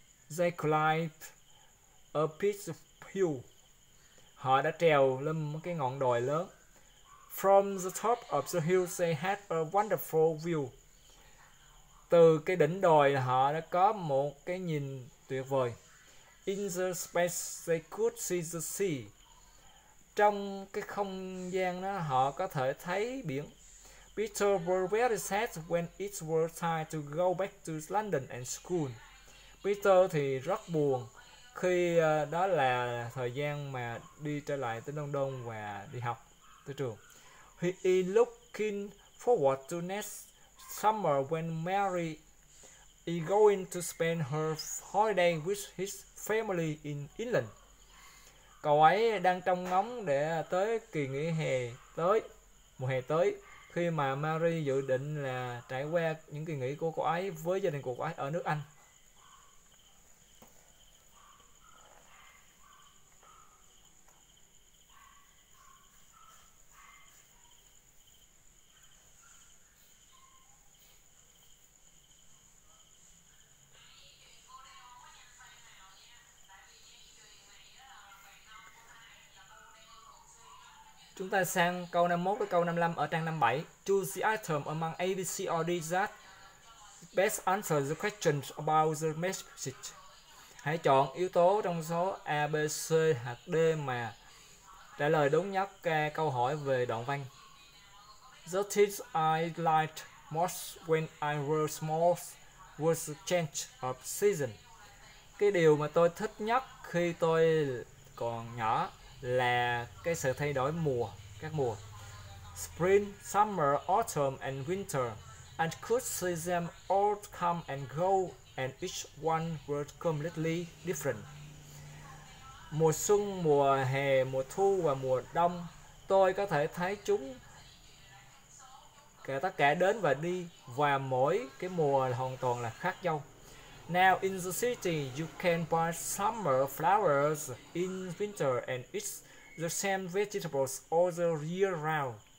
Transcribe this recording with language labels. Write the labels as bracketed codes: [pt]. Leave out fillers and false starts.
[en] They climbed a peak hill. [vi] Họ đã trèo lên một cái ngọn đồi lớn. [en] From the top of the hill, they had a wonderful view. [vi] Từ cái đỉnh đồi họ đã có một cái nhìn tuyệt vời. [en] In the space they could see the sea. [vi] Trong cái không gian đó họ có thể thấy biển. [en] Peter was very sad when it was time to go back to London and school. [vi] Peter thì rất buồn khi đó là thời gian mà đi trở lại tới London và đi học tới trường. [en] He is looking forward to next summer when Mary is going to spend her holiday with his family in England. [vi] Cậu ấy đang trông ngóng để tới kỳ nghỉ hè tới, mùa hè tới, khi mà Mary dự định là trải qua những kỳ nghỉ của cô ấy với gia đình của cô ấy ở nước Anh. Chúng ta sang câu 51 với câu 55 ở trang 57. [en] Choose the item among A, B, C, or D that best answers the questions about the message. [vi] Hãy chọn yếu tố trong số A, B, C hoặc D mà trả lời đúng nhất câu hỏi về đoạn văn. [en] The things I liked most when I was small was the change of season. [vi] Cái điều mà tôi thích nhất khi tôi còn nhỏ là cái sự thay đổi mùa, các mùa. [en] Spring, summer, autumn and winter. I could see them all come and go and each one was completely different. [vi] Mùa xuân, mùa hè, mùa thu và mùa đông. Tôi có thể thấy chúng cả tất cả đến và đi và mỗi cái mùa hoàn toàn là khác nhau. [en] Now in the city, you can buy summer flowers in winter and eat the same vegetables all the year round.